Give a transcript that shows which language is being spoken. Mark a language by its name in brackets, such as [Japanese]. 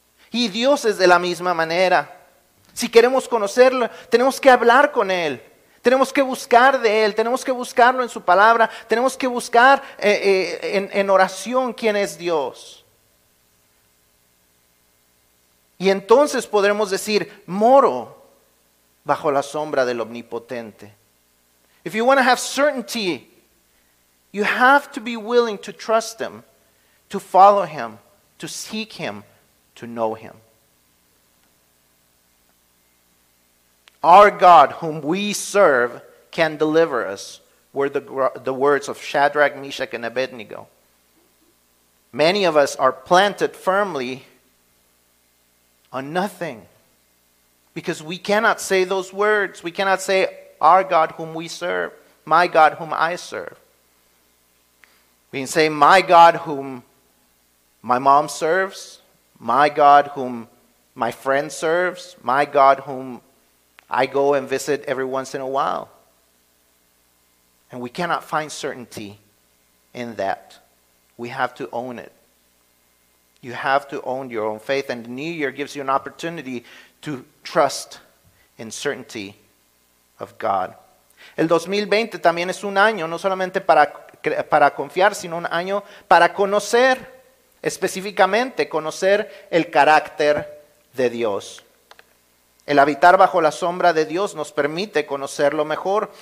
[Spanish] Y Dios es de la misma manera. Si queremos conocerlo, tenemos que hablar con Él, tenemos que buscar de Él, tenemos que buscarlo en su palabra, tenemos que buscar en oración quién es Dios. Y entonces podremos decir, moro bajo la sombra del Omnipotente. [English] If you want to have certainty, you have to be willing to trust Him, to follow Him, to seek Him, to know Him. Our God, whom we serve, can deliver us, were the words of Shadrach, Meshach, and Abednego. Many of us are planted firmly on nothing because we cannot say those words. We cannot say, our God whom we serve, my God whom I serve. We can say, my God whom my mom serves, my God whom my friend serves, my God whom I go and visit every once in a while. And we cannot find certainty in that. We have to own it. You have to own your own faith. And the new year gives you an opportunity to trust in certainty of God. [Spanish] El 2020 también es un año, no solamente para confiar, sino un año para conocer, específicamente conocer el carácter de Dios. El habitar bajo la sombra de Dios nos permite conocerlo mejor.